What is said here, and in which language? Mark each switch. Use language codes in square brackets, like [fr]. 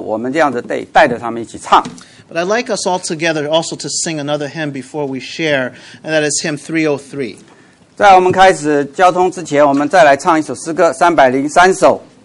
[zh] 所以当下个礼拜有朋友或者我们家人来到这里的时候，他们不知道怎么唱的时候，我们这样子带着他们一起唱。 [en] But I'd like us all together also to sing another hymn before we share, and that is hymn 303. [zh] 在我们开始交通之前，我们再来唱一首诗歌，303首。